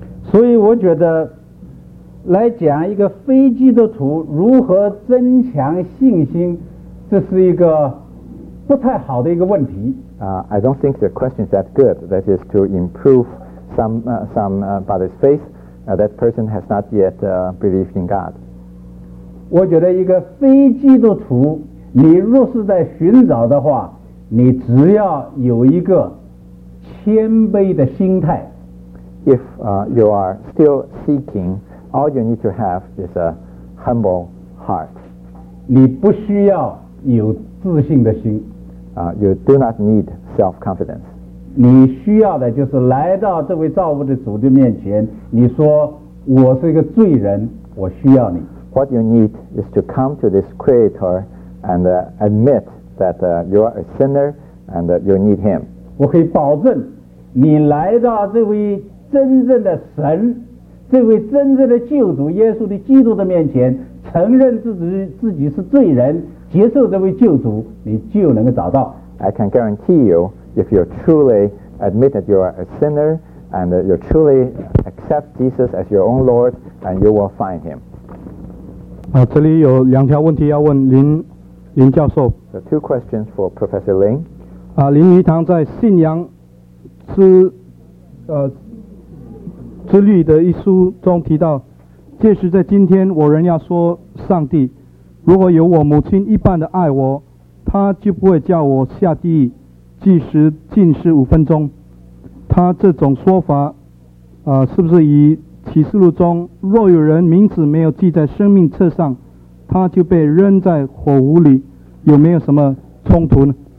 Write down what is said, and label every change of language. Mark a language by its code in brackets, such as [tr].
[zh] 所以我觉得来讲一个非基督徒如何增强信心这是一个不太好的一个问题 [en] I don't think the question is that good. That is to improve somebody's faith. That person has not yet believed in God. [zh] 我觉得一个非基督徒，你若是在寻找的话，你只要有一个谦卑的心态。 [en] If you are still seeking, all you need to have is a humble heart. [zh] 你不需要有自信的心。 [en] You do not need self-confidence. [zh] 你需要的就是来到这位造物的主的面前，你说我是一个罪人，我需要你。 [en] What you need is to come to this Creator and admit that you are a sinner and that you need Him. [zh] 我可以保证，你来到这位真正的神，这位真正的救主耶稣的基督的面前，承认自己是罪人。接受这位救主你就能够找到 [en] I can guarantee you if you truly admit that you are a sinner and you truly accept Jesus as your own Lord and you will find him [zh] 这里有两条问题要问林教授 [en] So two questions for Professor Lin [zh] 林余堂在信仰之律的一书中提到届时在今天我仍要说上帝如果有我母亲一般的爱我她就不会叫我下地狱即使禁食五分钟她这种说法是不是以启示录中若有人名字没有记在生命册上她就被扔在火炉里有没有什么冲突呢